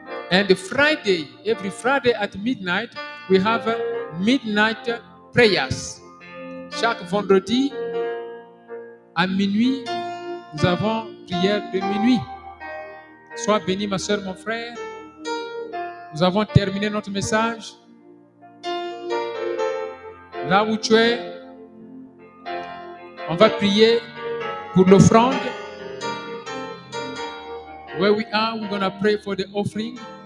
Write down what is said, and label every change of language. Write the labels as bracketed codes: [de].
[en] And Friday, every Friday at midnight, we have midnight prayers. [fr] Chaque vendredi, à minuit, nous avons prière de minuit. Sois béni, ma soeur, mon frère. Nous avons terminé notre message. Là où tu es, on va prier pour l'offrande. [en] Where we are, we're going to pray for the offering.